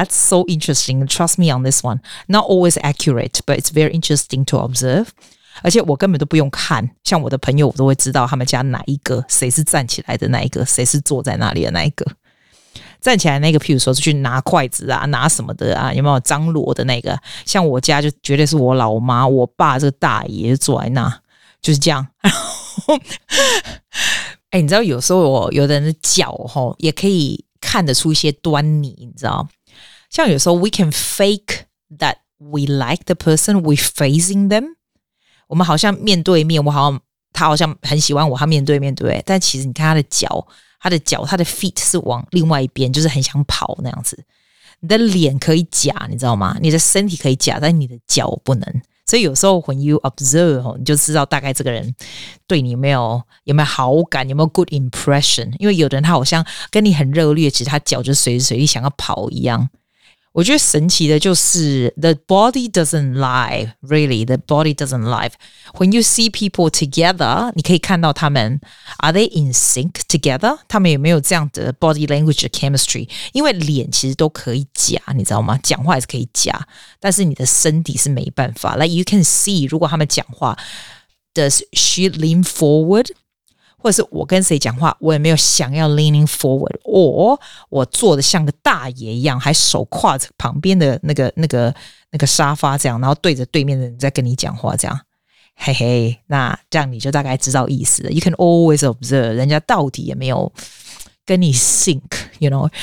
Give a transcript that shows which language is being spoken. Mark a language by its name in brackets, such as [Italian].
[English] That's so interesting, trust me on this one. Not always accurate, but it's very interesting to observe. [Chinese] 而且我根本都不用看，像我的朋友我都会知道他们家哪一个谁是站起来的那一个，谁是坐在那里的那一个。站起来那个譬如说是去拿筷子啊拿什么的啊，有没有张罗的那个，像我家就绝对是我老妈我爸这个大爷就坐在那，就是这样。然后哎，你知道有时候我有的人的脚吼也可以看得出一些端倪，你知道，像有时候 [English] we can fake that we like the person we facing them, [Chinese] 我们好像面对面，我好像他好像很喜欢我，他面对面，对不对？但其实你看他的脚他的 feet 是往另外一边，就是很想跑那样子。你的脸可以假，你知道吗？你的身体可以假，但你的脚不能。所以有时候 [English] when you observe, [Chinese] 你就知道大概这个人对你有没有好感，有没有 [English] good impression。 [Chinese] 因为有的人他好像跟你很热烈，其实他脚就随时随地想要跑一样。我觉得神奇的就是 [English] The body doesn't lie, really, the body doesn't lie. When you see people together, [Chinese] 你可以看到他们 [English] Are they in sync together? [Chinese] 他们有没有这样的 [English] body language chemistry? [Chinese] 因为脸其实都可以假，你知道吗？讲话也是可以假，但是你的身体是没办法。 [English] Like you can see, [Chinese] 如果他们讲话 [English] Does she lean forward? [Chinese] 或者是我跟谁讲话，我也没有想要 [English] leaning forward, or [Chinese] 我坐得像个大爷一样，还手跨着旁边的那个沙发这样，然后对着对面的人在跟你讲话这样，嘿嘿，那这样你就大概知道意思了。 [English] You can always observe [Chinese] 人家到底也没有跟你 [English] sync, you know.